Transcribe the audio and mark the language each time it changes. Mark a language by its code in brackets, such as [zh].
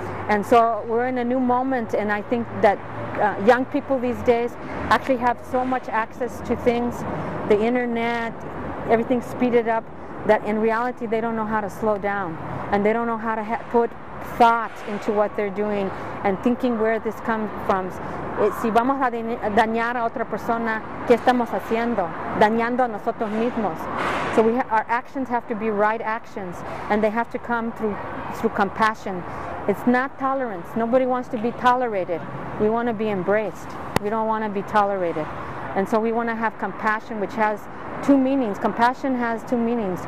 [en] And so we're in a new moment, and I think that young people these days actually have so much access to things, the internet, everything's speeded up, that in reality they don't know how to slow down, and they don't know how to put thought into what they're doing and thinking where this comes from. [es] Si vamos a dañar a otra persona, ¿qué estamos haciendo? Dañando a nosotros mismos. [en] So we our actions have to be right actions, and they have to come through compassion. It's not tolerance. Nobody wants to be tolerated. We want to be embraced. We don't want to be tolerated. And so we want to have compassion, which has two meanings. Compassion has two meanings.